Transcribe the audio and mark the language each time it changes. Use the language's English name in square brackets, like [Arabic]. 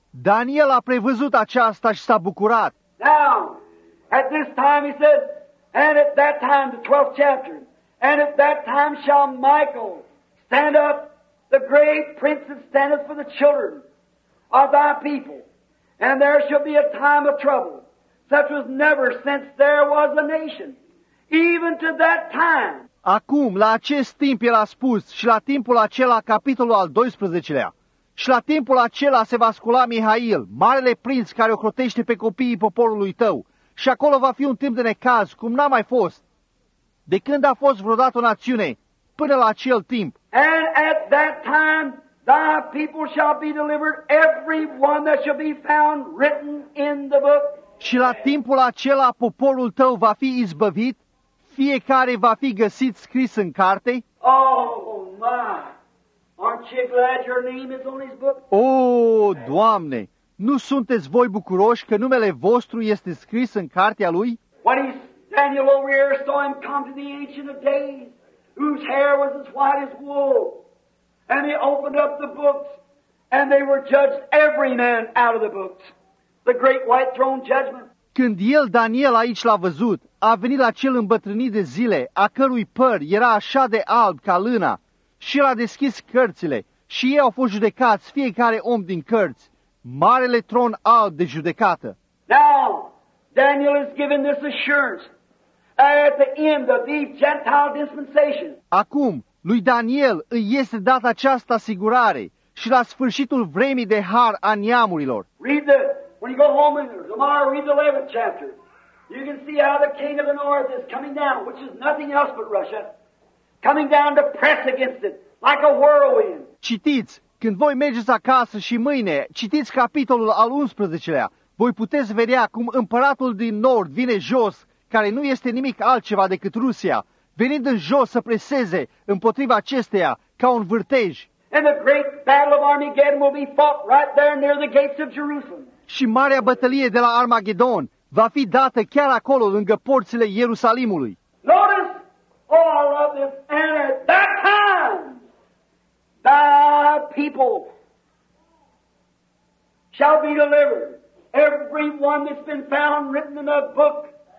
[Romanian] Daniel a prevăzut aceasta și s-a bucurat. [English] Now, at this time he said, and at that time, the 12th chapter, and at that time shall Michael stand up, the great prince that standeth for the children of thy people. And there shall be a time of trouble, such was never since there was a nation, even to that time. [Romanian] Acum, la acest timp, el a spus, și la timpul acela, capitolul al 12-lea, și la timpul acela se va scula Mihail, marele prinț care ocrotește pe copiii poporului tău, și acolo va fi un timp de necaz, cum n-a mai fost. De când a fost vreodată o națiune, până la acel timp. [English] And at that time, thy people shall be delivered, every one that shall be found written in the book. [Romanian] Și la timpul acela, poporul tău va fi izbăvit, fiecare va fi găsit scris în carte. [English] Oh, my! Aren't you glad your name is on his book? [Romanian] Oh, Doamne! Nu sunteți voi bucuroși că numele vostru este scris în cartea lui? [English] What is Daniel over here saw him come to the Ancient of Days, whose hair was as white as wool. And he opened up the books, and they were judged every man out of the books. The great white throne judgment. [Romanian] Când el, Daniel, aici l-a văzut, a venit la cel îmbătrânit de zile, a cărui păr era așa de alb ca lâna, și el a deschis cărțile, și ei au fost judecați, fiecare om din cărți, marele tron alb de judecată. [English] Now, Daniel is given this assurance. At the end of the Gentile dispensation. [Romanian] Acum, lui Daniel îi este dată această asigurare și la sfârșitul vremii de har a neamurilor. [English] Read the, when you go home tomorrow, read the 11th chapter. You can see how the king of the north is coming down, which is nothing else but Russia, coming down to press against it, like a whirlwind. [Romanian] Citiți, când voi mergeți acasă și mâine, citiți capitolul al 11-lea, voi puteți vedea cum împăratul din nord vine jos, care nu este nimic altceva decât Rusia, venind în jos să preseze împotriva acesteia ca un vârtej. [English] And the great battle of Armageddon will be fought right there near the gates of Jerusalem. [Romanian] Și marea bătălie de la Armageddon va fi dată chiar acolo, lângă porțile Ierusalimului. [English] Notice, oh, I love this, and at that time, the people shall be delivered. Everyone that's been found written in that book.